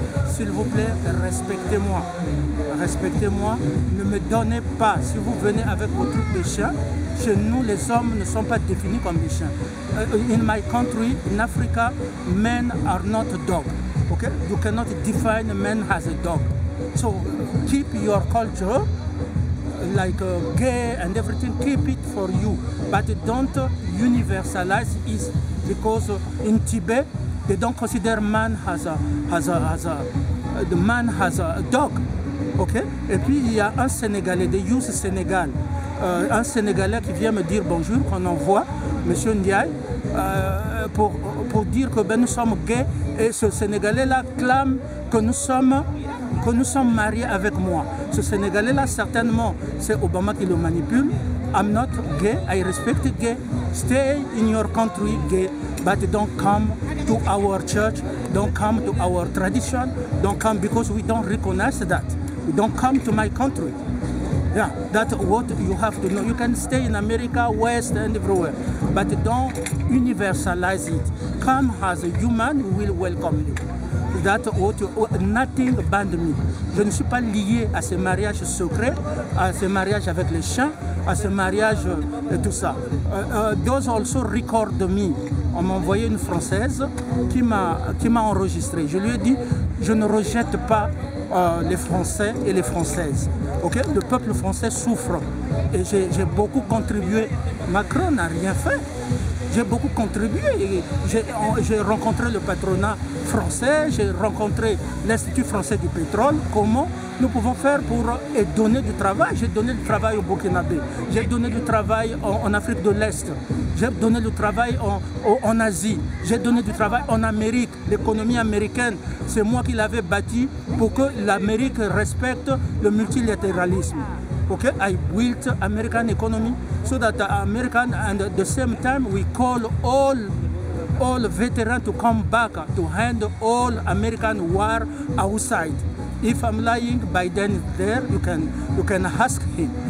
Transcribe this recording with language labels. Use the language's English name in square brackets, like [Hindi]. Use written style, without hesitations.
[French] S'il vous plaît, respectez-moi. Respectez-moi, ne me donnez pas. Si vous venez avec vos trucs de chien, chez nous, les hommes ne sont pas définis comme des chiens. [English] In my country, in Africa, men are not dogs. Okay? You cannot define men as a dog. So keep your culture, like gay and everything, keep it for you. But don't universalize it, because in Tibet, they don't consider man as a dog. [French] Okay? Et puis il y a un Sénégalais, [English] they use Sénégal. [French] Un Sénégalais qui vient me dire bonjour, qu'on envoie, monsieur Ndiaye, pour dire que ben, nous sommes gays. Et ce Sénégalais-là clame que nous sommes mariés avec moi. Ce Sénégalais-là, certainement, c'est Obama qui le manipule. [English] I'm not gay, I respect gay. Stay in your country gay, but don't come to our church, don't come to our tradition, don't come because we don't recognize that. Don't come to my country. Yeah, that's what you have to know. You can stay in America, West, and everywhere. But don't universalize it. Come as a human, we will welcome you. That's what you, nothing banned me. [French] Je ne suis pas lié à ce mariage secret, à ce mariage avec les chiens, à ce mariage et tout ça. [English] Those also record me. [French] On m'a envoyé une Française qui m'a enregistré. Je lui ai dit, je ne rejette pas les Français et les Françaises. Okay? Le peuple français souffre. Et j'ai beaucoup contribué. Macron n'a rien fait. J'ai beaucoup contribué. J'ai rencontré le patronat français, j'ai rencontré l'Institut français du pétrole. Comment nous pouvons faire pour donner du travail? J'ai donné du travail au Burkinabé. J'ai donné du travail en Afrique de l'Est. J'ai donné du travail en Asie. J'ai donné du travail en Amérique. L'économie américaine, c'est moi qui l'avais bâti pour que l'Amérique respecte le multilatéralisme. [English] Okay, I built American economy so that American, and at the same time we call all veterans to come back to handle all American war outside. If I'm lying, Biden is there, you can ask him.